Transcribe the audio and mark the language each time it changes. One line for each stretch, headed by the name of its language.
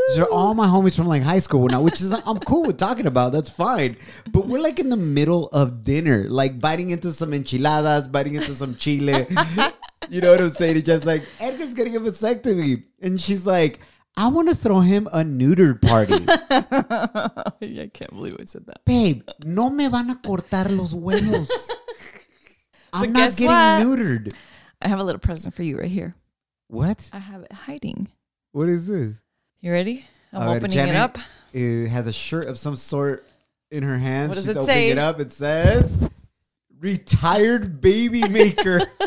English: These are all my homies from like high school now, which is, I'm cool with talking about. That's fine. But we're like in the middle of dinner, like biting into some enchiladas, biting into some chile. You know what I'm saying? It's just like, Edgar's getting a vasectomy. And she's like, I want to throw him a neuter party. I can't believe I said that.
Spanish: Babe, no me van a cortar los huevos.
English: I'm not getting neutered. I have a little present for you right here. What? I have it hiding. What is this? You ready? I'm opening it up. It has a shirt of some sort in her hands. What does She's it say? Opening it up. It says, retired baby maker.